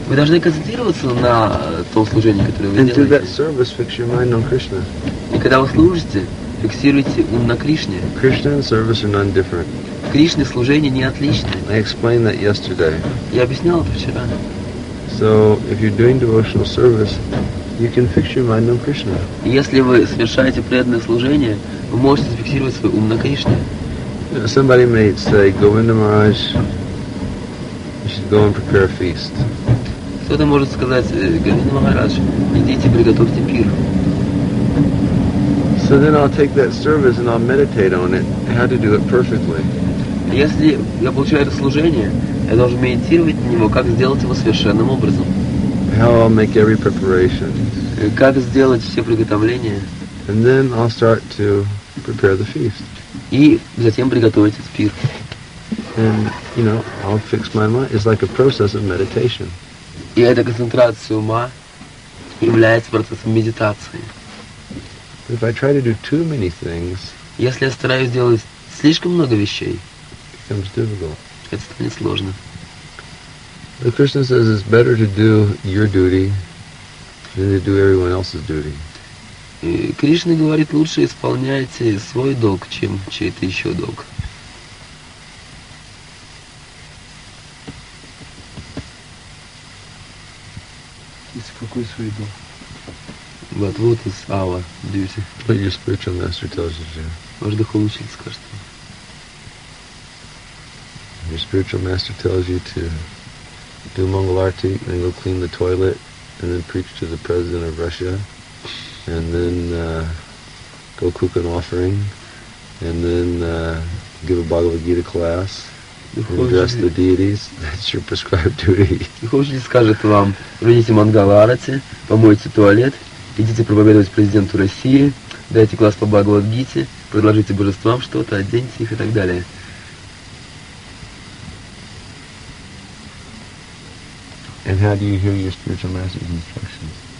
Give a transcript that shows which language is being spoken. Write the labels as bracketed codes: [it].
[ru] Вы должны концентрироваться на том служении, которое вы [en] and [ru] делаете. [en] Through that service, fix your mind on Krishna. [ru] И когда вы служите, фиксируйте ум на Кришне. [en] Krishna and service are none different. [ru] Кришне служение не отличное. [en] I explained that yesterday. [ru] Я объяснял это вчера. [en] So if you're doing devotional service, you can fix your mind on Krishna. [ru] Если вы совершаете преданное служение, вы можете зафиксировать свой ум на Кришне. [en] Somebody may say, Govinda Maharaj, you should go and prepare a feast. [ru] Кто-то может сказать, Говинда Махарадж, идите приготовьте пир. [en] So then I'll take that service and I'll meditate on it, how to do it perfectly. [ru] Если я получаю это служение, я должен медитировать на него, как сделать его совершенным образом. [en] How I'll make every preparation. [ru] Как сделать все приготовления. [en] And then I'll start to prepare the feast. [ru] И затем приготовить этот пир. [en] And, you know, I'll fix my mind. It's like a process of meditation. [ru] И эта концентрация ума является процессом медитации. [en] But if I try to do too many things, [ru] если я стараюсь делать слишком много вещей, [en] it becomes difficult. [ru] Это станет сложно. [en] But Krishna says it's better to do your duty than to do everyone else's duty. [ru] Кришна говорит, лучше исполняйте свой долг, чем чей-то еще долг. Из какой свой долг? [en] But what is our duty? What your spiritual master tells you to do. [ru] Ваш духовный учитель скажет. [en] Your spiritual master tells you to do Mangal Arati and go clean the toilet and then preach to the president of Russia. And then go cook an offering, and then give a Bhagavad Gita class, address the deities. That's your prescribed duty. [ru] Духовщик скажет вам: пройдите мангал арати, помойте туалет, идите проповедовать президенту России, дайте класс по Бхагавад Гите, предложите божествам что-то, оденьте их и так далее. [en] And how do you hear your spiritual master's instructions?